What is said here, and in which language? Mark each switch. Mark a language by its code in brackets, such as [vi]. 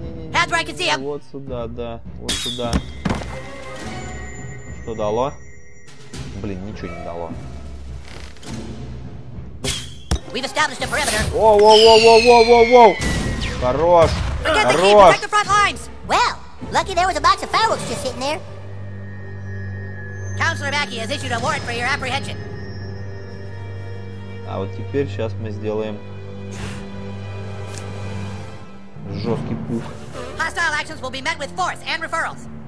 [en] That's where I can see him. [ru] Вот сюда, да. Вот сюда. Что дало? Блин, ничего не дало. [en] We've established a perimeter. Воу-воу-воу-воу-воу-воу-воу! [ru] Хорош! Хорош! [en] Well, lucky there was a box of fireworks just sitting there. Counselor Mackey has issued a warrant for your apprehension. [ru] А вот теперь сейчас мы сделаем жесткий пух. [en] Hostile actions will be met with force and referrals.